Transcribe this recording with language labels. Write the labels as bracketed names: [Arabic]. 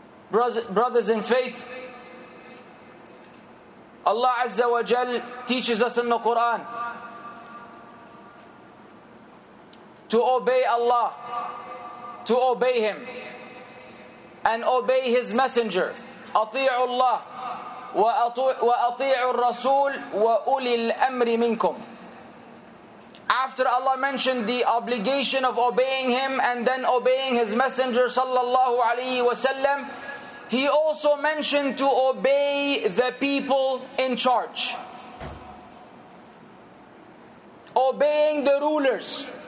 [English] Brothers in faith, Allah Azza wa Jal teaches us in the Quran to obey Allah, to obey Him, and obey His Messenger. [Arabic] أطيعوا الله وأطيعوا الرسول وأولي الأمر منكم. [English] After Allah mentioned the obligation of obeying Him and then obeying His Messenger sallallahu alayhi wa sallam, He also mentioned to obey the people in charge. Obeying the rulers.